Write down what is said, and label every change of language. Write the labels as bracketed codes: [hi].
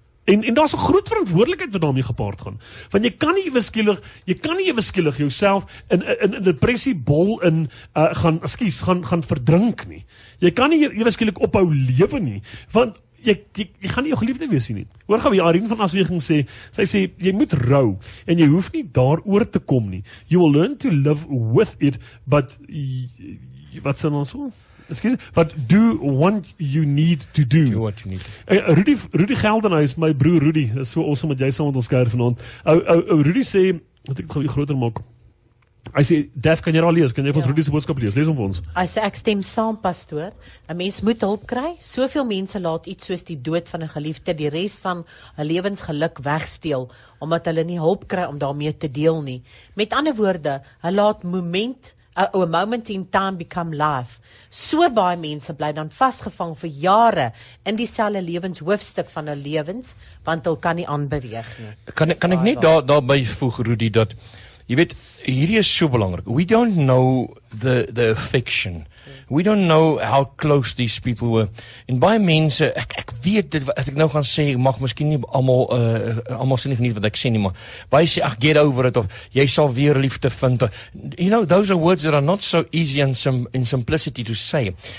[af] En daar's 'n groot verantwoordelikheid wat daarmee gepaard gaan. Want jy kan nie eweskielig jouself in depressie bol in gaan verdrink nie. Jy kan nie eweskielik ophou lewe nie, want jy gaan nie jou geliefde weer sien nie. Hoor gou, Irene van Asweging sê, sy sê jy moet rou en jy hoef nie daaroor te kom nie. [en] You will learn to live with it, but [af] wat sê ons hoor? [en] Excuse me, but do what you need to do. Do what you need to [af] do. Rudy Geldenhuis, my broer Rudy, is so awesome wat jy saam met ons kuier vanaand. Rudy sê, wat ek gou groter maak, hy sê, Daph, kan jy al lees? Kan jy vir ons Rudy se boodskap lees? Lees hom vir ons. Hy sê, ek stem saam, pastoor. 'N mens moet hulp kry. Soveel mense laat iets soos die dood van 'n geliefde die res van 'n lewensgeluk wegsteel, omdat hulle nie hulp kry om daarmee te deel nie. Met ander woorde, hulle laat [en] a moment in time become life. [af] So baie mense bly dan vasgevang vir jare in dieselfde lewenshoofstuk van hulle lewens, want hulle kan nie aanbeweeg nie. Kan ek net daar byvoeg, Rudy, dat jy weet, hierdie is so belangrik. [en] We don't know the affection. Yes. We don't know how close these people were. [af] En baie mense, ek weet dit, as ek nou gaan sê, mag miskien nie almal sê nie geniet wat ek sê nie, maar baie sê, ach, [en] get over it, [af] of jy sal weer liefde vind. [en] You know, those are words that are not so easy in simplicity to say.